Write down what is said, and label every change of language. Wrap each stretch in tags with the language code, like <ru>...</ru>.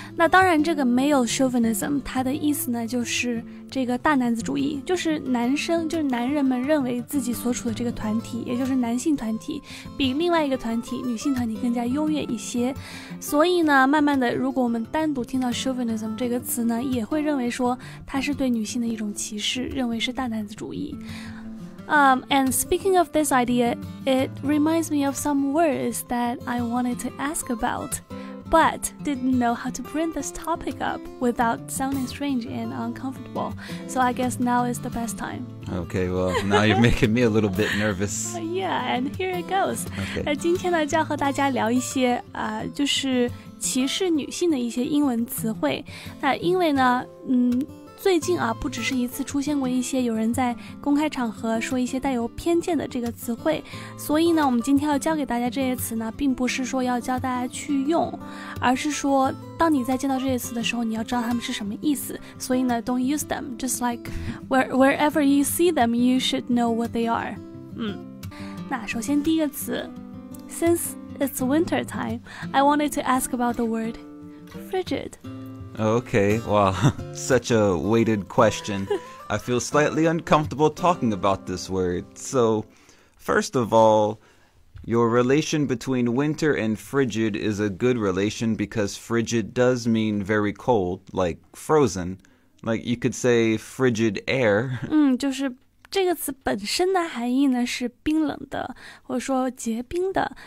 <zh>那当然，这个 male chauvinism 它的意思呢，就是这个大男子主义，就是男生，就是男人们认为自己所处的这个团体，也就是男性团体，比另外一个团体，女性团体更加优越一些。所以呢，慢慢的，如果我们单独听到 chauvinism 这个词呢，也会认为说它是对女性的一种歧视，认为是大男子主义。</zh> <en>And speaking of this idea, it reminds me of some words that I wanted to ask about, but didn't know how to bring this topic up without sounding strange and uncomfortable. So I guess now is the best time. Okay, well, now you're making me a little bit nervous. Yeah, and here it goes. Okay.</en> <zh>今天呢，就要和大家聊一些就是歧视女性的一些英文词汇。那因为呢，最近啊，不只是一次出现过一些有人在公开场合说一些带有偏见的这个词汇，所以呢，我们今天要教给大家这些词呢，并不是说要教大家去用，而是说当你在见到这些词的时候，你要知道它们是什么意思。所以呢</zh> <en>，don't use them. Just like wherever you see them, you should know what they are.</en> <zh>那首先第一个词</zh> <en>，since it's winter time, I wanted to ask about the word frigid. Okay, well, such a weighted question. I feel slightly uncomfortable talking about this word. So, first of all, your relation between winter and frigid is a good relation because frigid does mean very cold, like frozen. Like, you could say frigid air.</en> <zh>就是这个词本身的含义呢是冰冷的，或者说结冰的。</zh>